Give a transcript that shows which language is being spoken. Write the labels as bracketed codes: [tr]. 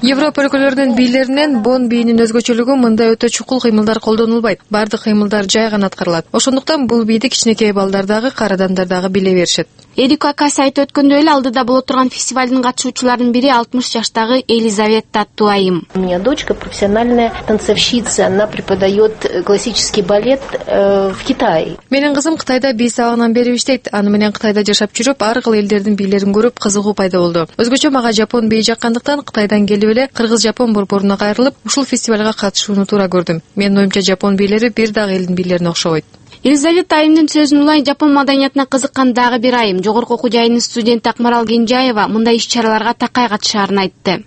[ky] Европа өлкөлөрүнүн бийлеринен Бон бийинин өзгөчөлүгү мындай өтө чукул кыймылдар колдонулбайт. Бардык кыймылдар жай гана аткарылат. Ошондуктан бул бийди кичинекей балдар дагы, кара адамдар дагы биле беришет. Эрика Касси айтып өткөндөй эле алдыда боло турган фестивалдын катышуучуларынын бири 60 жаштагы Елизавета Туайым. [ru] У меня дочка профессиональная танцовщица, она преподает классический балет в Китае. [ky] Менин кызым Кытайда бий сабагынан бери иштейт. Аны менен Кытайда жашап жүрүп, ар кыл элдердин бийлерин көрүп, кызыгуу пайда болду. Өзгөчө мага жапон бийи жаккандыктан Кытайдан келип эле кыргыз-жапон борборуна кайрылып, ушул фестивалга катышууну туура көрдүм. Менин оюмча жапон бийлери бир дагы элдин бийлерине окшобойт. Елизавета айымдын сөзүн улай жапон маданиятына кызыккан дагы бир айым, жогорку окуу жайынын студенти Акмарал Кенжаева мындай иш чараларга такай катышаарын айтты.